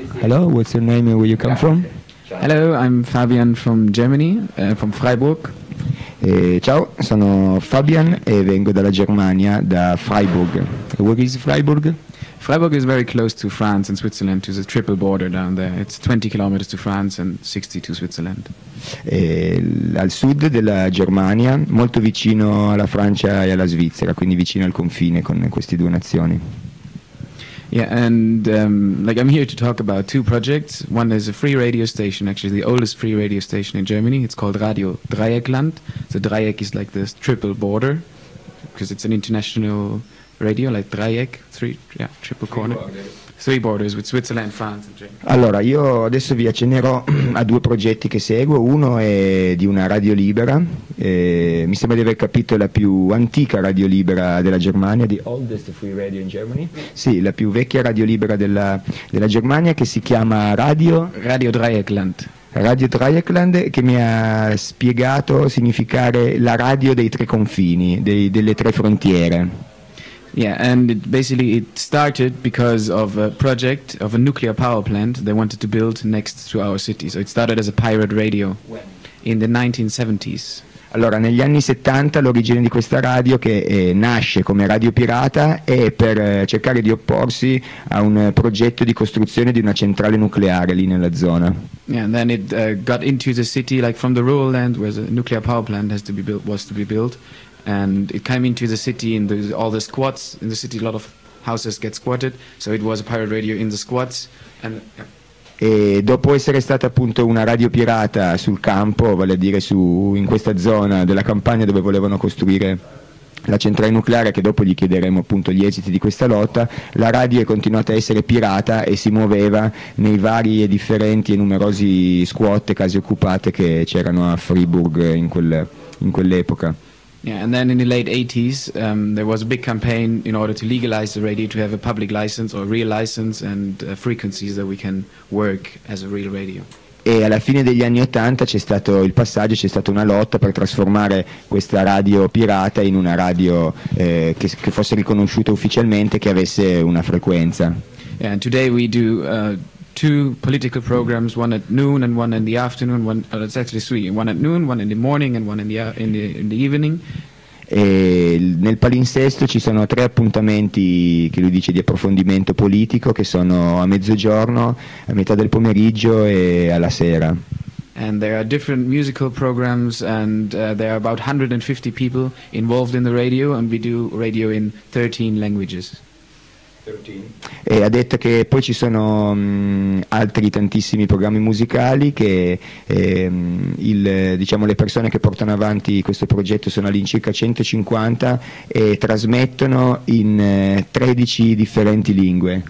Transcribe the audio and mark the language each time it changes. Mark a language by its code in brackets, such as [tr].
[en] Hello, what's your name and where you come from? Hello, I'm Fabian from Germany, from Freiburg. [it] E ciao, sono Fabian e vengo dalla Germania, da Freiburg. [en] Where is Freiburg? Freiburg is very close to France and Switzerland, to the triple border down there. It's 20 kilometers to France and 60 to Switzerland. [it] E al sud della Germania, molto vicino alla Francia e alla Svizzera, quindi vicino al confine con queste due nazioni. [en] Yeah, and I'm here to talk about two projects. One is a free radio station, actually the oldest free radio station in Germany. It's called Radio Dreieckland. The Dreieck is like this triple border, because it's an international radio, like Dreieck, triple corner. Three borders with Switzerland, France and Germany. [it] Allora, io adesso vi accennerò a due progetti che seguo. Uno è di una radio libera, mi sembra di aver capito la più antica radio libera della Germania. [en] The oldest free radio in Germany. [it] Sì, la più vecchia radio libera della Germania, che si chiama Radio... Radio Dreieckland. Radio Dreieckland, che mi ha spiegato significare la radio dei tre confini, delle tre frontiere. [en] Yeah, and it started because of a project of a nuclear power plant they wanted to build next to our city. So it started as a pirate radio. When? In the 1970s. [it] Allora, negli anni 70 l'origine di questa radio, che nasce come radio pirata, è per cercare di opporsi a un progetto di costruzione di una centrale nucleare lì nella zona. [en] Yeah, and then it got into the city, like from the rural land where the nuclear power plant was to be built. And it came into the city in all the squats in the city. A lot of houses get squatted, so it was a pirate radio in the squats. And [it] e dopo essere stata appunto una radio pirata sul campo, vale a dire in questa zona della campagna dove volevano costruire la centrale nucleare, che dopo gli chiederemo appunto gli esiti di questa lotta, la radio è continuata a essere pirata e si muoveva nei vari e differenti e numerosi squat e case occupate che c'erano a Freiburg in quell'epoca. [en] Yeah, and then in the late 80s, there was a big campaign in order to legalize the radio, to have a public license or a real license and frequencies that we can work as a real radio. [it] E alla fine degli anni 80 c'è stato il passaggio, c'è stata una lotta per trasformare questa radio pirata in una radio che fosse riconosciuta ufficialmente, che avesse una frequenza. [en] Yeah, and today we do two political programs, one at noon and one in the afternoon. It's actually three: one at noon, one in the morning, and one in the evening. [it] E nel palinsesto ci sono tre appuntamenti che lui dice di approfondimento politico, che sono a mezzogiorno, a metà del pomeriggio e alla sera. [en] And there are different musical programs, and there are about 150 people involved in the radio, and we do radio in 13 languages. [it] E ha detto che poi ci sono altri tantissimi programmi musicali che le persone che portano avanti questo progetto sono all'incirca 150 e trasmettono in 13 differenti lingue.